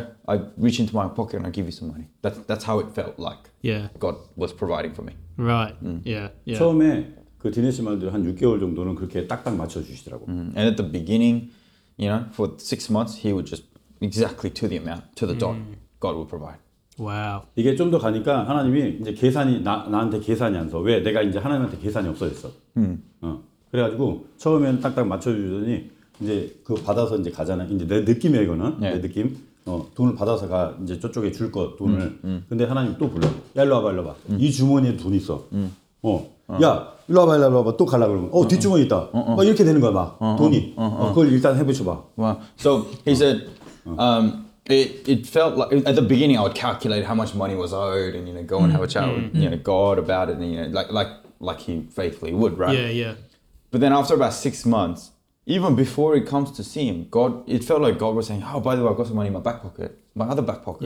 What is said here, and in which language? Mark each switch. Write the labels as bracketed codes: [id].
[en] I reach into my pocket and I give you some money. That's how it felt like. Yeah. God was providing for me. Right. Yeah. [ko] 처음에 그 디네시 말대로 한 6개월 정도는 그렇게 딱딱 맞춰 주시더라고. [en] And at the beginning, you know, for 6 months, he would just exactly to the amount, to the dot, God would provide. Wow. [ko] 이게 좀 더 가니까 하나님이 이제 계산이 나한테 계산이 안 서. 왜? 내가 이제 하나님한테 계산이 없어졌어. 그래가지고 처음에는 딱딱 맞춰 주더니 이제 그 받아서 이제 가잖아. 이제 내 느낌이야 이거는. [en] Yeah. [ko] 내 느낌. 돈을 받아서 가 이제 저쪽에 줄 거 돈을. 근데 하나님 또 불러. 야 일로 와봐 일로 와봐. 이 주머니에 돈 있어. 야 일로 와봐 일로 와봐 또 가려 그러면. 뒷주머니 있다. 막 이렇게 되는 거야 막. 돈이. 그걸 일단 해보셔 봐. [en] Wow. So he said, it felt like at the beginning I would calculate how much money was owed and you know go and have a chat with you know God about it and you know like he faithfully would, right? Yeah, yeah. But then after about 6 months. Even before it comes to see him, God, it felt like God was saying, oh, by the way, I've got some money in my back pocket, my other back pocket.